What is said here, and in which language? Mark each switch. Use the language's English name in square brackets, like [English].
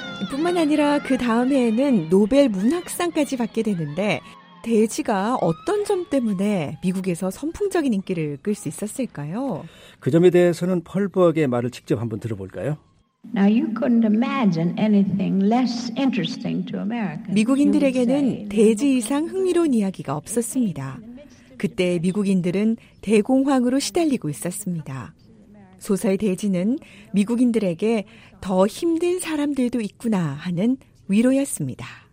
[Korean] 뿐만 아니라 그 다음 해에는 노벨 문학상까지 받게 되는데 대지가 어떤 점 때문에 미국에서 선풍적인 인기를 끌 수 있었을까요? 그 점에 대해서는 펄버그의 말을 직접 한번 들어볼까요? [English] Now you couldn't imagine anything less interesting to Americans. [Korean] 미국인들에게는 대지 이상 흥미로운 이야기가 없었습니다. 그때 미국인들은 대공황으로 시달리고 있었습니다. 소설 대지는 미국인들에게 더 힘든 사람들도 있구나 하는 위로였습니다.